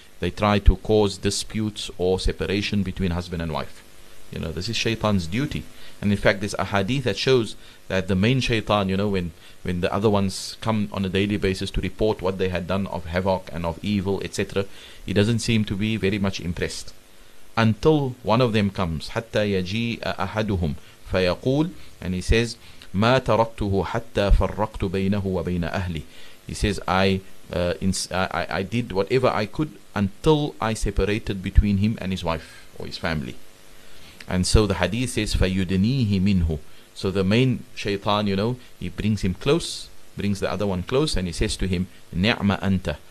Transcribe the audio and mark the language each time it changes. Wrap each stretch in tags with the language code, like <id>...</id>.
<en>They try to cause disputes or separation between husband and wife. You know, this is shaitan's duty. And in fact, there's a hadith that shows that the main shaitan, you know, when the other ones come on a daily basis to report what they had done of havoc and of evil, etc., he doesn't seem to be very much impressed. Until one of them comes,</en> <ar>حَتَّى يَجِيءَ أَحَدُهُمْ فَيَقُولُ,</ar> <en>and he says,</en> <ar>مَا تَرَكْتُهُ حَتَّى فَرَّقْتُ بَيْنَهُ وَبَيْنَ أَهْلِ.</ar> <en>He says, I did whatever I could until I separated between him and his wife or his family. And so the hadith says,</en> <ar>فَيُدْنِيهِ مِنْهُ.</ar> <en>So the main shaitan, you know, he brings him close, brings the other one close, and he says to him,</en> <ar>نِعْمَ أَنْتَ.</ar>